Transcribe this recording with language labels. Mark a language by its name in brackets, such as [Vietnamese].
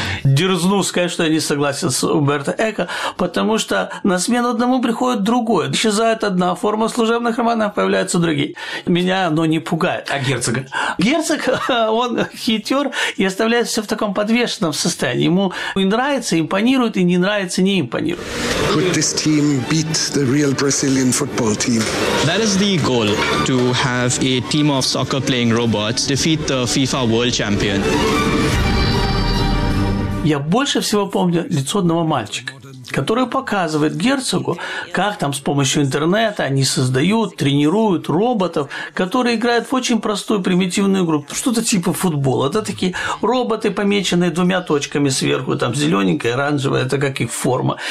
[Russian] Дерзну сказать, что я не согласен с Умберто Эко, потому что на смену одному приходит другое. Исчезает одна форма служебных романов, появляются другие. Меня оно не пугает. А Герцога? Герцог, он хитер и оставляет все в таком подвешенном состоянии. Ему и нравится, импонирует, и не нравится, не импонирует. [English] Could this team beat the real Brazilian football team? That is the goal, to have a team of soccer-playing robots defeat the FIFA World Champion. [Russian] Я больше всего помню лицо одного мальчика, который показывает Герцогу, как там с помощью интернета они создают, тренируют роботов, которые играют в очень простую примитивную игру, что-то типа футбола. Это такие роботы, помеченные двумя точками сверху, там зелененькая, оранжевая, это как их форма.